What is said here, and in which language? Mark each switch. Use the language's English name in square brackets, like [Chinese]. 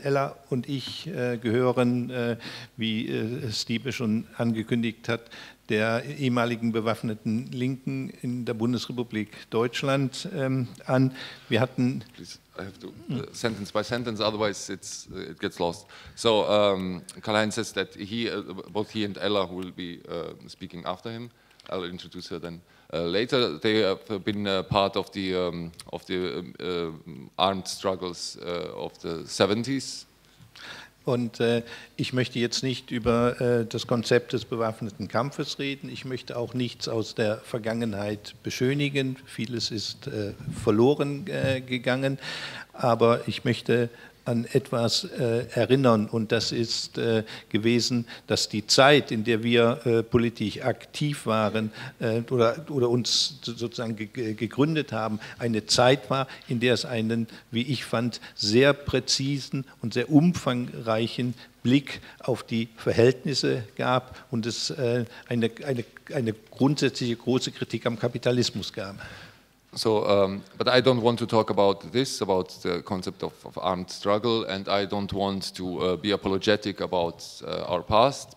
[German] Ella und ich gehören, wie Stipe schon angekündigt hat, der ehemaligen bewaffneten Linken in der Bundesrepublik Deutschland an. Wir hatten. [English] Please, I have to sentence by sentence, otherwise it gets lost. So Karl-Heinz says that both he and Ella will be speaking after him. I'll introduce her then. Later, they have been part of the armed struggles of the 70s. [German] Und ich möchte jetzt nicht über das Konzept des bewaffneten Kampfes reden. Ich möchte auch nichts aus der Vergangenheit beschönigen. Vieles ist verloren gegangen. Aber ich möchte an etwas erinnern, und das ist gewesen, dass die Zeit, in der wir politisch aktiv waren oder uns sozusagen gegründet haben, eine Zeit war, in der es einen, wie ich fand, sehr präzisen und sehr umfangreichen Blick auf die Verhältnisse gab und es eine grundsätzliche große Kritik am Kapitalismus gab. [English] So, but I don't want to talk about this, about the concept of armed struggle, and I don't want to be apologetic about our past.